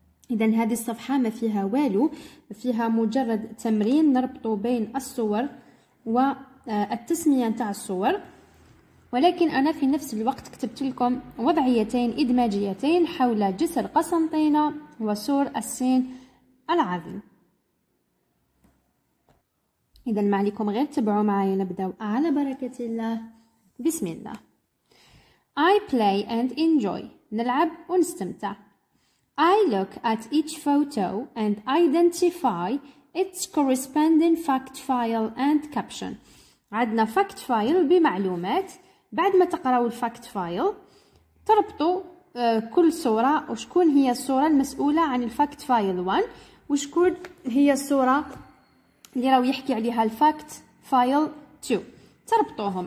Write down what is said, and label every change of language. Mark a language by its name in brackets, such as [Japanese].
[Arabic] إذا هذه الصفحة ما فيها والو، فيها مجرد تمرين نربط بين الصور والتسمية نتاع الصور، ولكن أنا في نفس الوقت كتبت لكم وضعيتين إدماجيتين حول جسر قسنطينة وسور السين العظيم. إذا ما عليكم غير تبعوا معي، نبدأ على بركة الله. بسم الله. [English] I play and enjoy، [Arabic] نلعب ونستمتع. [English] I look at each photo and identify its corresponding fact file and caption. [Arabic] عندنا fact file بمعلومات، بعد ما تقرأوا الفاكت فايل تربطوا كل صورة وشكون هي الصورة المسؤولة عن الفاكت فايل 1 وشكون هي الصورة اللي راهو يحكي عليها الفاكت فايل 2، تربطوهم.